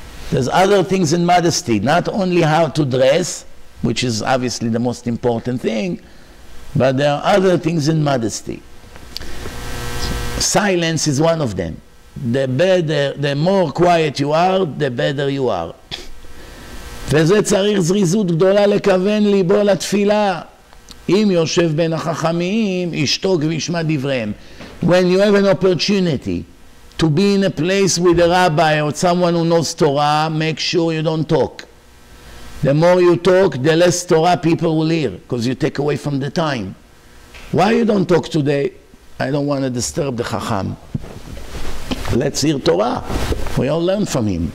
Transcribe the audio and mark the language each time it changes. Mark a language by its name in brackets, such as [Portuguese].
[English] There's other things in modesty, not only how to dress, which is obviously the most important thing, but there are other things in modesty. Silence is one of them. The better, the more quiet you are, the better you are. [Hebrew] וזה צריך זריזות גדולה לכוון ליבו לתפילה. אם יושב בין החכמים, ישתוק וישמע דבריהם. [English] When you have an opportunity to be in a place with a rabbi or someone who knows Torah, make sure you don't talk. The more you talk, the less Torah people will hear, because you take away from the time. Why you don't talk today? I don't want to disturb the chacham. Let's hear Torah. We all learn from him.